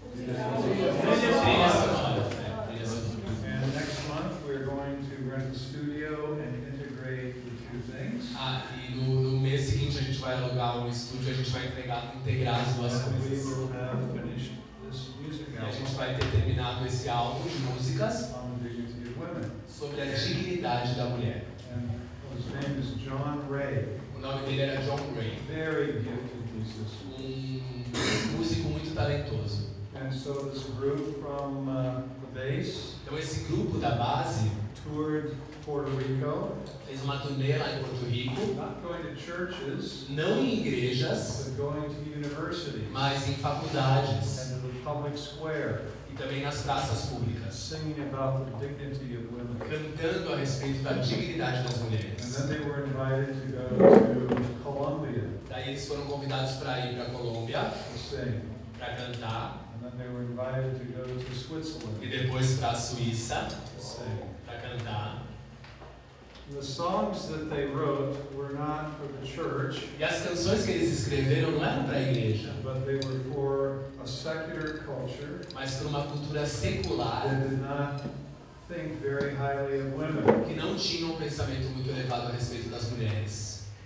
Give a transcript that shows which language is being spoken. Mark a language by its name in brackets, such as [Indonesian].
[English] Next month we're going to rent a studio and integrate the two things. [Portuguese] Ah, e no mês seguinte a gente vai alugar um estúdio, a gente vai integrar as duas coisas. [English] We will have finished this music album. [Portuguese] E a gente vai ter terminado esse álbum de músicas [English] on the dignity of women. [Portuguese] Sobre a dignidade da mulher. [English] And his name is John Ray. [Portuguese] O nome dele era John Ray. [English] Very gifted musician. [Portuguese] Um músico muito talentoso. [English] And so this group from the base. [Portuguese] Então esse grupo da base [English] toured Puerto Rico. [Portuguese] Fez uma turnê lá em Porto Rico. [English] Not going to churches. [Portuguese] Não em igrejas. [English] But going to universities. [Portuguese] Mas em faculdades. [English] And in the public square. [Portuguese] E também nas praças públicas. [English] Singing about the dignity of women. [Portuguese] Cantando a respeito da dignidade das mulheres. [English] And then they were invited to go to Colombia. [Portuguese] Daí eles foram convidados para ir para Colômbia. [English] To sing. [Portuguese] Para cantar. [English] And then they were invited to go to Switzerland. [Portuguese] E depois para a Suíça. [English] To sing. [Portuguese] Pra cantar. [English] The songs that they wrote were not for the church. [Portuguese] E as canções que eles escreveram não eram para a igreja. [English] But they were for a secular culture. [Portuguese] Mas para uma cultura secular. [English] They did not think very highly of women. [Portuguese] Que não tinham um pensamento muito elevado a respeito das mulheres.